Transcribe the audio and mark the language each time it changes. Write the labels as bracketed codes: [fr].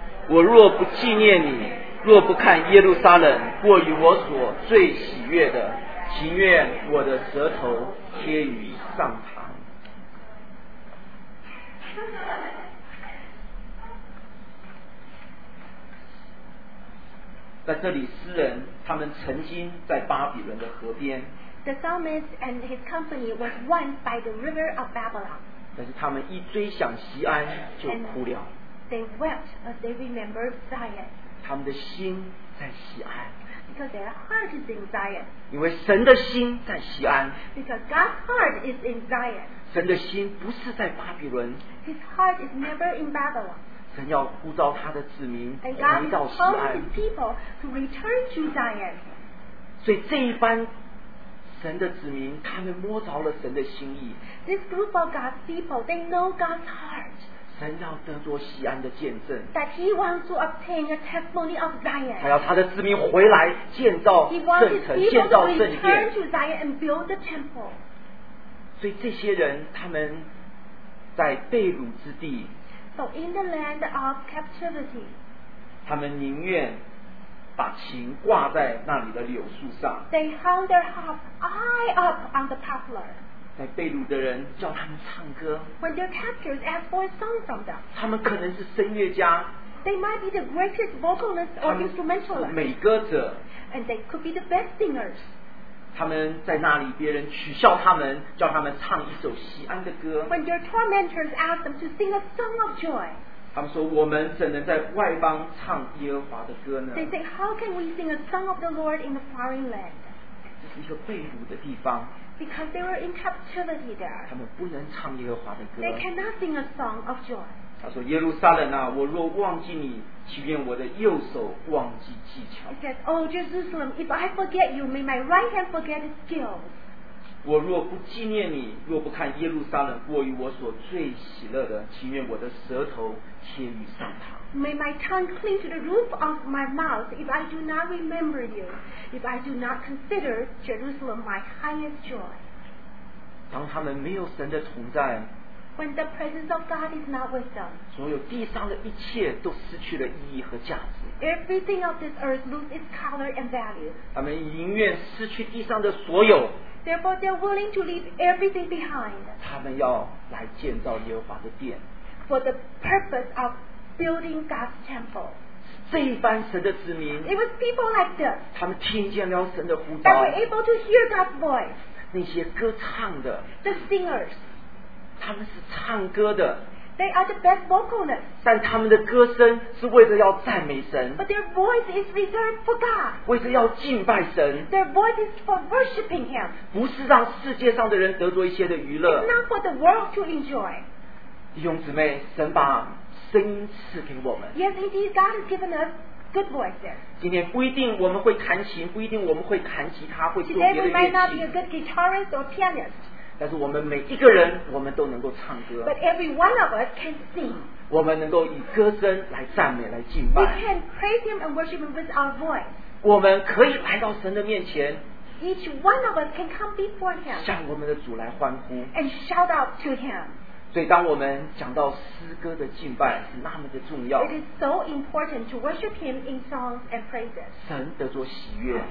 [zh] 我若不纪念你，若不看耶路撒冷过于我所最喜悦的，情愿我的舌头贴于上膛。在这里，诗人他们曾经在巴比伦的河边。 [en] The psalmist and his company was once by the river of Babylon. [zh] 但是他们一追想锡安就哭了。 [en] They wept as they remembered Zion. [zh] 他们的心在锡安。 [en] Because their heart is in Zion. [zh] 因为神的心在锡安。 [en] Because God's heart is in Zion. [zh] 神的心不是在巴比伦。 [en] His heart is never in Babylon. [zh] 神要呼召他的子民回到锡安。 [en] And God calls his people to return to Zion. [zh] 所以这一班。神的子民，他们摸着了神的心意。 [en] This group of God's people, they know God's heart. [zh] 神要得着锡安的见证。 [en] That he wants to obtain a testimony of Zion. [zh] 他要他的子民回来建造圣城，建造圣殿。 [en] He wants his people to return to Zion and build the temple. [zh] 所以这些人，他们在被掳之地。 [en] So in the land of captivity. [zh] 他们宁愿。把琴挂在那里的柳树上。 [en] They hung their harp high up on the poplar. [zh] 在被掳的人叫他们唱歌。 [en] When their captors asked for a song from them. [zh] 他们可能是声乐家。 [en] They might be the greatest vocalist or instrumentalist. [zh] 美歌者。 [en] And they could be the best singers. [zh] 他们在那里，别人取笑他们，叫他们唱一首锡安的歌。 [en] When their tormentors asked them to sing a song of joy. [zh] 他们说：“我们怎能在外邦唱耶和华的歌呢 [en] ？”They say, "How can we sing a song of the Lord in a foreign land?" [zh] 这是一个被掳的地方。 [en] Because they were in captivity there. [zh] 他们不能唱耶和华的歌。 [en] They cannot sing a song of joy. [zh] 他说：“耶路撒冷啊，我若忘记你，岂愿我的右手忘记技巧 [en] ？”He says, "Oh Jerusalem, if I forget you, may my right hand forget its skills." [zh] 我若不纪念你，若不看耶路撒冷过于我所最喜乐的，情愿我的舌头贴于上堂。 [en] May my tongue cling to the roof of my mouth if I do not remember you, if I do not consider Jerusalem my highest joy. [zh] 当他们没有神的同在， [en] When the presence of God is not with them, [zh] 所有地上的一切都失去了意义和价值。 [en] Everything of this earth loses its color and value. [zh] 他们宁愿失去地上的所有。 [en] Therefore, they're willing to leave everything behind. [zh] 他们要来建造耶和华的殿。 [en] For the purpose of building God's temple. [zh] 这一般神的子民， [en] it was people like this. [zh] 他们听见了神的呼召。 [en] They were able to hear God's voice. [zh] 那些歌唱的， [en] the singers. [zh] 他们是唱歌的。 [en] They are the best vocalists. [zh] 但他们的歌声是为了要赞美神。 [en] But their voice is reserved for God. [zh] 为了要敬拜神。 [en] Their voice is for worshiping Him. [zh] 不是让世界上的人得着一些的娱乐。 [en] It's not for the world to enjoy. [zh] 弟兄姊妹，神把声音赐给我们。 [en] Yes, indeed, God has given us good voices. [zh] 今天不一定我们会弹琴，不一定我们会弹吉他，会做别的乐器。 [en] Today we might not be a good guitarist or pianist. [zh] 但是我们每一个人我们都能够唱歌。 [en] But every one of us can sing. [zh] 我们能够以歌声来赞美来敬拜。 [en] We can praise Him and worship Him with our voice. [zh] 我们可以来到神的面前。 [en] Each one of us can come before Him. [zh] 向我们的主来欢呼。 [en] And shout out to Him. [zh] 所以当我们讲到诗歌的敬拜是那么的重要。 [en] It is so important to worship Him in songs and praises. [zh] 神得着喜悦。